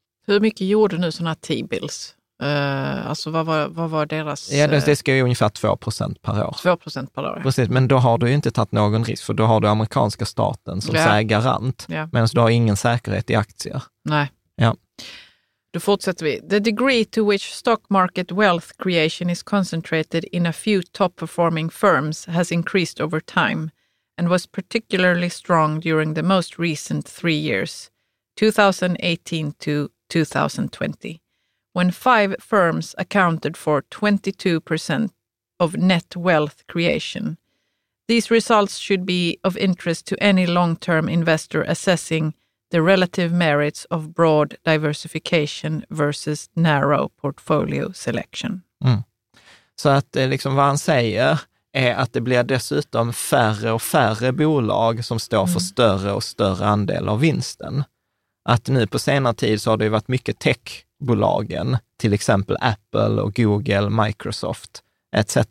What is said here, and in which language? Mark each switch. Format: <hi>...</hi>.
<sv>Hur mycket gjorde nu sådana T-bills? Alltså vad var deras... Ja, det ska ju ungefär 2% per år. 2% per år. Precis, men då har du ju inte tagit någon risk, för då har du amerikanska staten som säger garant, medan du har ingen säkerhet i aktier. Nej. Ja. Då fortsätter vi.</sv> <en>The degree to which stock market wealth creation is concentrated in a few top performing firms has increased over time and was particularly strong during the most recent 3 years, 2018 to 2020. When 5 firms accounted for 22% of net wealth creation. These results should be of interest to any long-term investor assessing the relative merits of broad diversification versus narrow portfolio selection. Mm.</en> <sv>Så att liksom vad han säger är att det blir dessutom färre och färre bolag som står för större och större andel av vinsten. Att nu på senare tid så har det ju varit mycket techbolagen, till exempel Apple och Google, Microsoft etc.</sv>